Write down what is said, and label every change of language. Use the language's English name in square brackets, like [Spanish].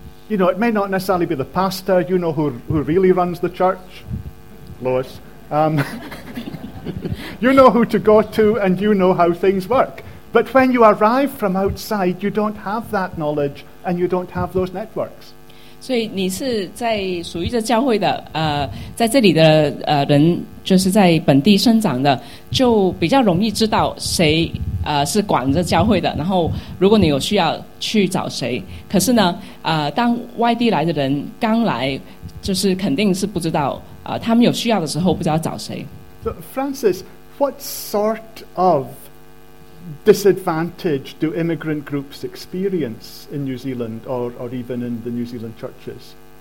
[English] You know, it may not necessarily be the pastor. You know who really runs the church. Lois. You know who to go to and you know how things work. But when you arrive from outside, you don't have that knowledge and you don't have those networks. [Chinese] 所以你是在属于这教会的在这里的人就是在本地生长的，就比较容易知道谁是管着教会的，然后如果你有需要去找谁。可是呢当外地来的人刚来，就是肯定是不知道他们有需要的时候不知道找谁。 [English] So, Francis, what sort of disadvantage do immigrant groups experience in New Zealand or even in the New Zealand churches?